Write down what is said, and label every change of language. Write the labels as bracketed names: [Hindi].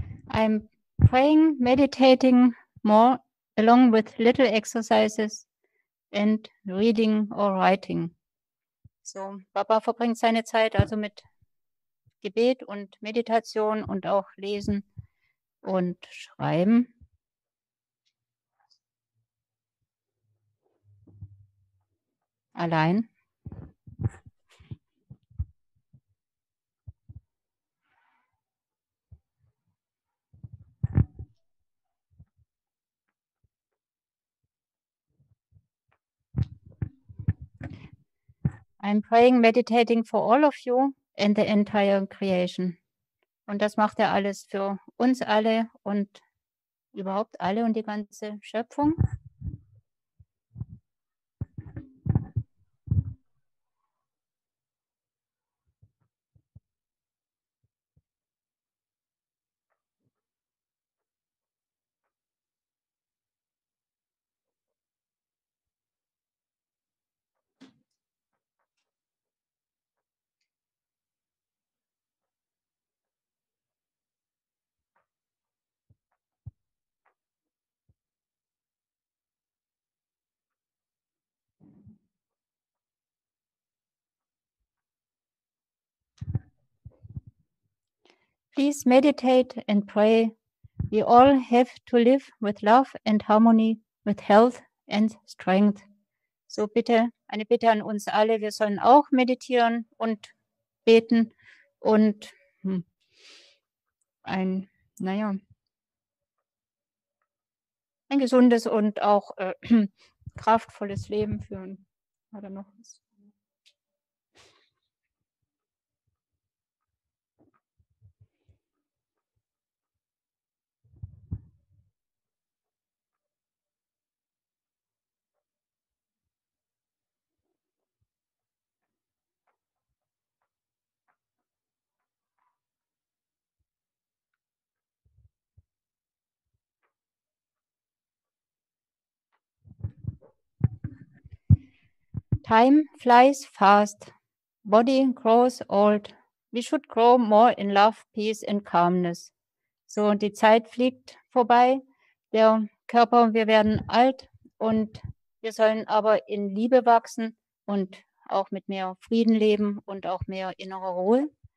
[English] I'm praying, meditating more along with little exercises and reading or writing. [German] So, Baba verbringt seine Zeit also mit Gebet und Meditation und auch Lesen und Schreiben. Allein. [English] I'm praying, meditating for all of you and the entire creation. [German] Und das macht er alles für uns alle und überhaupt alle und die ganze Schöpfung. [English] Please meditate and pray. We all have to live with love and harmony, with health and strength. [German] So bitte, eine Bitte an uns alle, wir sollen auch meditieren und beten und ein gesundes und auch kraftvolles Leben führen. Hat er noch was? [English] Time flies fast. Body grows old. We should grow more in love, peace and calmness. [German] So, und die Zeit fliegt vorbei. Der Körper, wir werden alt und wir sollen aber in Liebe wachsen und auch mit mehr Frieden leben und auch mehr innerer Ruhe.